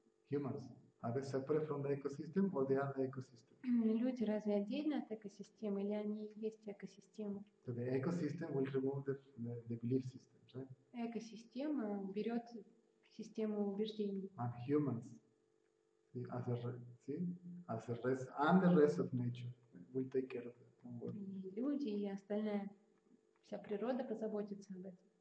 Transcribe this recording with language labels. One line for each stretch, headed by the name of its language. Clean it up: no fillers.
English: Humans are they separate from the ecosystem, or they are the ecosystem?
Russian: Люди разве отдельно от экосистемы, или они есть экосистема?
English: So the ecosystem will remove the belief system, right?
Russian: Экосистема берет систему убеждений.
English: And humans, and the rest of nature will take care of it.
Russian: И люди и остальная вся природа позаботится об этом.